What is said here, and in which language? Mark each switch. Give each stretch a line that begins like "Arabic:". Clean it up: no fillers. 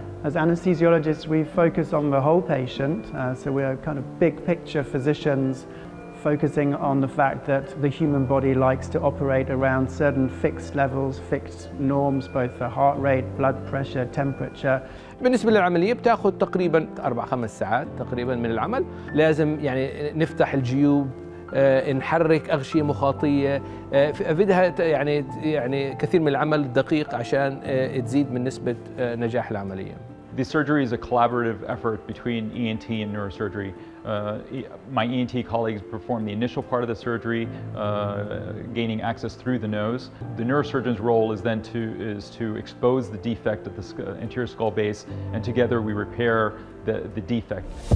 English: As anesthesiologists, we focus on the whole patient, so we are kind of big picture physicians focusing on the fact that the human body likes to operate around certain fixed levels, fixed norms, both for heart rate, blood pressure, temperature.
Arabic: بالنسبة للعملية بتاخذ تقريبا 4-5 ساعات تقريبا من العمل. لازم يعني نفتح الجيوب, نحرك أغشية مخاطية. فيها يعني كثير من العمل الدقيق عشان تزيد من نسبة نجاح العملية.
English: The surgery is a collaborative effort between ENT and neurosurgery. My ENT colleagues perform the initial part of the surgery, gaining access through the nose. The neurosurgeon's role is then to expose the defect at the anterior skull base, and together we repair the defect.